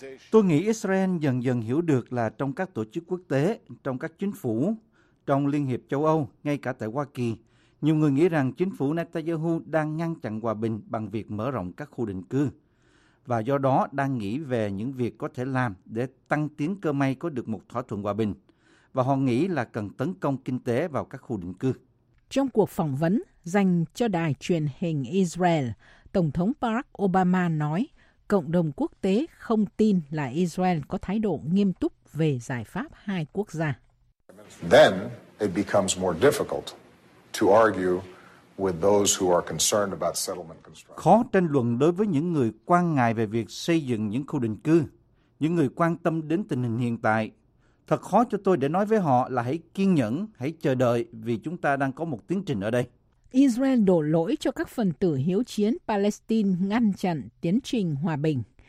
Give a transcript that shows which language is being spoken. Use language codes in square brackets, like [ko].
[vi] Tôi nghĩ Israel dần dần hiểu được là trong các tổ chức quốc tế, trong các chính phủ, trong Liên hiệp châu Âu, ngay cả tại Hoa Kỳ, nhiều người nghĩ rằng chính phủ Netanyahu đang ngăn chặn hòa bình bằng việc mở rộng các khu định cư, và do đó đang nghĩ về những việc có thể làm để tăng tiến cơ may có được một thỏa thuận hòa bình, và họ nghĩ là cần tấn công kinh tế vào các khu định cư. Trong cuộc phỏng vấn dành cho đài truyền hình Israel, Tổng thống Barack Obama nói cộng đồng quốc tế không tin là Israel có thái độ nghiêm túc về giải pháp hai quốc gia. [en] Then it becomes more difficult to argue with those who are concerned about settlement construction. [vi] Khó tranh luận đối với những người quan ngại về việc xây dựng những khu định cư, những người quan tâm đến tình hình hiện tại. Thật khó cho tôi để nói với họ là hãy kiên nhẫn, hãy chờ đợi vì chúng ta đang có một tiến trình ở đây. Israel đổ lỗi cho các phần tử hiếu chiến Palestine ngăn chặn tiến trình hòa bình.